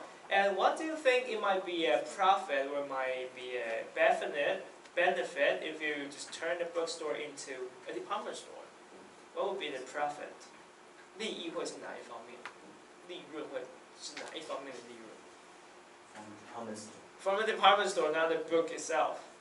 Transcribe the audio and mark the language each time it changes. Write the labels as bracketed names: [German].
[English] And what do you think it might be a profit or might be a benefit if you just turn the bookstore into a department store? What would be the profit? [Chinese] 利益会是哪一方面？利润会是哪一方面的利润？ [English] From the department store. From the department store, not the book itself.